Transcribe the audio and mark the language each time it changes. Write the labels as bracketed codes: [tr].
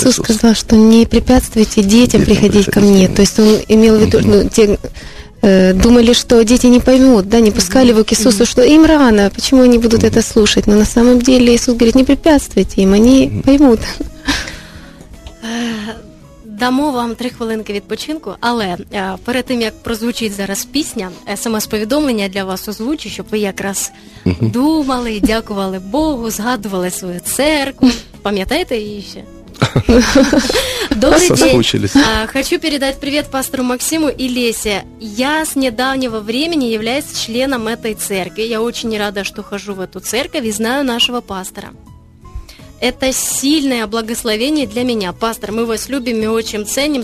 [ru] Иисус сказал, что не препятствуйте детям приходить ко мне. То есть он имел в виду, думали, что дети не поймут, да, не пускали его к Иисусу, что им рано, почему они будут это слушать. Но на самом деле Иисус говорит, не препятствуйте им, они поймут. [uk] Дамо вам 3 хвилинки відпочинку, але перед тим, як прозвучить зараз пісня, смс-повідомлення для вас озвучу, щоб ви якраз думали, дякували Богу, згадували свою церкву. Пам'ятаєте її ще? [ru] Добрый день. Хочу передать привет пастору Максиму и Лесе. Я с недавнего времени являюсь членом этой церкви. Я очень рада, что хожу в эту церковь и знаю нашего пастора. Это сильное благословение для меня. Пастор, мы вас любим и очень ценим.